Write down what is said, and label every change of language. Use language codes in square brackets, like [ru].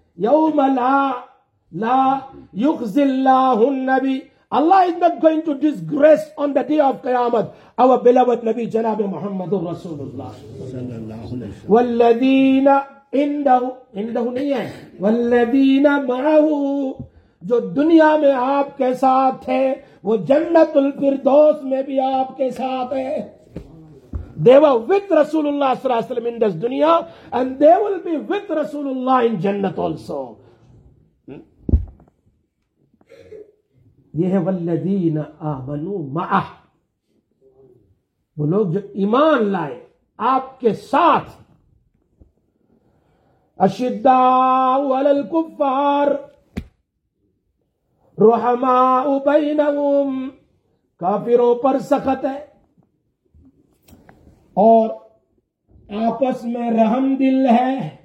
[ar] یوم لا لا یخزی اللہ النبی, [ur] اللہ [en] is not going to disgrace on the day of [ur] قیامت اور بلاوت نبی جناب محمد رسول اللہ والذین عندہ نہیں ہے, والذین معہ جو دنیا میں آپ کے ساتھ تھے وہ جنت الفردوس میں بھی آپ کے ساتھ ہے. [en] They were with Rasulullah صلی اللہ علیہ وسلم in this dunya and they will be with Rasulullah in Jannat also. [ur] یہ ہے [ar] والذین آمنوا معہ, [ur] وہ لوگ جو ایمان لائے آپ کے ساتھ. [ar] اشداء علی الکفار رحماء بینہم, [ur] کافروں پر سخت ہے اور آپس میں رحم دل ہے.